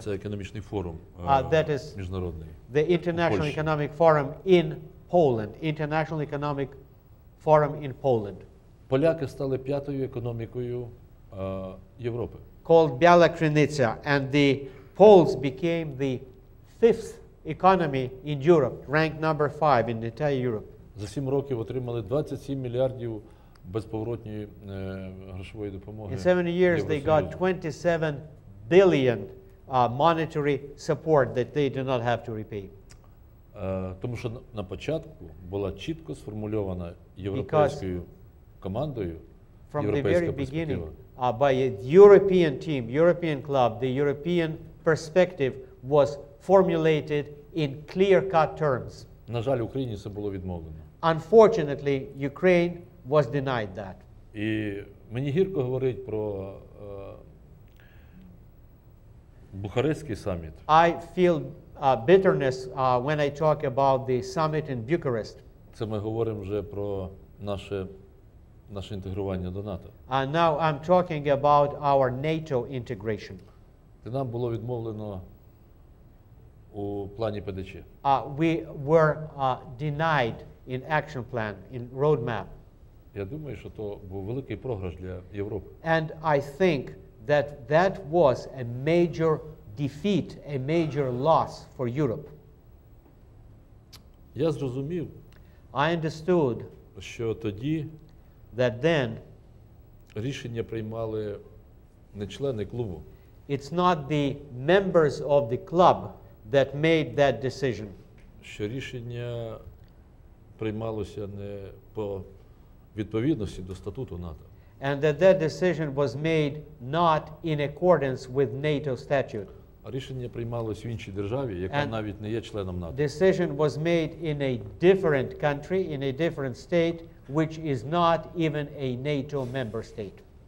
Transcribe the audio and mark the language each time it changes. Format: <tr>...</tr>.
<uk>Це економічний форум міжнародний.</uk> <en>The International Economic Forum in Poland. International Economic Forum in Poland.</en> <uk>Поляки стали п'ятою економікою Європи.</uk> <en>Called Biała Krynica, and the Poles became the fifth economy in Europe, ranked number 5 in the entire Europe.</en> <uk>За 7 років отримали 27 мільярдів безповоротньої грошової допомоги.</uk> <en>In 7 years they got 27 billion monetary support that they do not have to repay.</en> <uk>Тому що на початку була чітко сформульована європейською командою,</uk> <en>from the very beginning, by a European team, European club, the European perspective was formulated in clear-cut terms.</en> <uk>На жаль, Україні це було відмовлено.</uk> <en>Unfortunately, Ukraine was denied that.</en> <uk>І мені гірко говорить про Бухарестський саміт.</uk> <en>I feel bitterness when I talk about the summit in Bucharest.</en> <uk>Це ми говоримо вже про наше інтегрування до НАТО.</uk> <en>And now I'm talking about our NATO integration.</en> <uk>Де нам було відмовлено у плані ПДЧ.</uk> <en>We were denied in action plan, in roadmap.</en> <uk>Я думаю, що то був великий програш для Європи.</uk> <en>And I think that was a major defeat, a major loss for Europe.</en> <uk>Я зрозумів.</uk> <en>I understood</en> <uk>що тоді</uk> <en>that then</en> <uk>рішення приймали не члени клубу.</uk> <en>It's not the members of the club that made that decision.</en> <uk>Що рішення приймалося не по відповідності до статуту НАТО.</uk> <en>And that decision was made not in accordance with NATO statute.</en> <uk>Рішення приймалося в іншій державі, яка навіть не є членом НАТО.</uk> <en>Decision was made in a different country, in a different state, which is not even a NATO member state.</en>